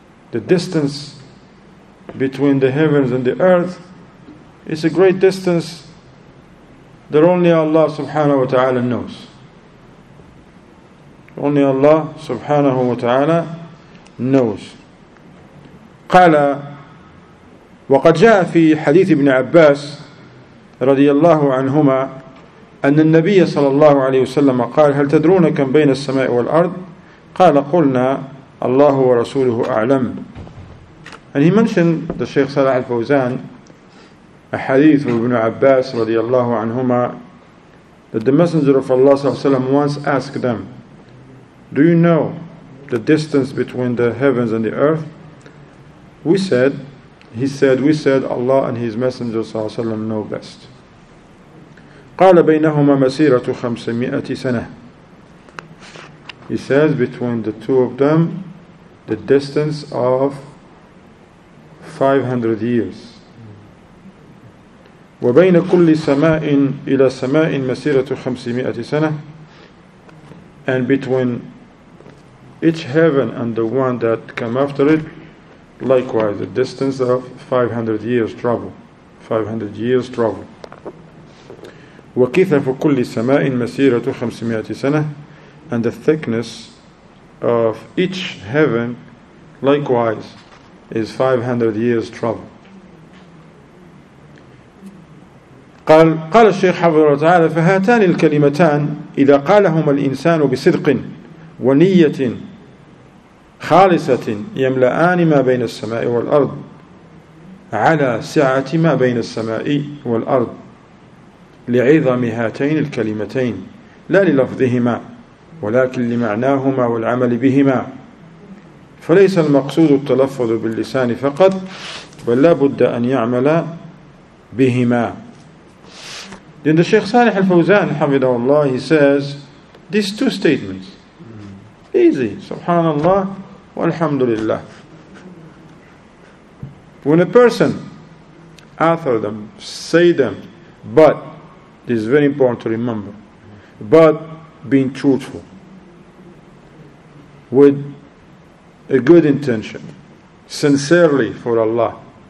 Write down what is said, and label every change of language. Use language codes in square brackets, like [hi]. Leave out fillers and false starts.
[en] The distance between the heavens and the earth is a great distance that only Allah subhanahu wa ta'ala knows. Only Allah subhanahu wa ta'ala knows. [ar] قال وقد جاء في حديث ابن عباس رضي الله عنهما أن النبي صلى الله عليه وسلم قال هل تدرون كم بين السماء والأرض؟ قال قلنا الله ورسوله أعلم. [en] And he mentioned the Sheikh Salah al-Fawzan a hadith of Ibn Abbas رضي الله عنهما that the Messenger of Allah صلى الله عليه وسلم once asked them, do you know the distance between the heavens and the earth? We said, Allah and His Messenger صلى الله عليه وسلم know best. [ar] قال بينهما مسيرة 500 سنة. [en] He says between the two of them, the distance of 500 years. [ar] وبين كل سماء إلى سماء مسيرة 500 سنة. [en] And between each heaven and the one that come after it, likewise, the distance of 500 years travel. 500 years travel. [ar] وكثف كل سماء مسيرة 500 سنة. [en] And the thickness of each heaven, likewise, is 500 years travel. [ar] قال الشيخ حفظه الله تعالى فهاتان الكلمتان إذا قالهما الإنسان بصدق ونية خالصة يملأان ما بين السماء والأرض على سعة ما بين السماء والأرض لعظم هاتين الكلمتين لا للفظهما ولكن لمعناهما والعمل بهما فليس المقصود التلفظ باللسان فقط بل لا بد أن يعمل بهما. [en] Then the Sheikh Salih al-Fawzan, hafidhahullah, he says these two statements. Easy. [ar] Subhanallah walhamdulillah. [en] When a person utter them, say them, but this is very important to remember, but being truthful with a good intention, sincerely for Allah.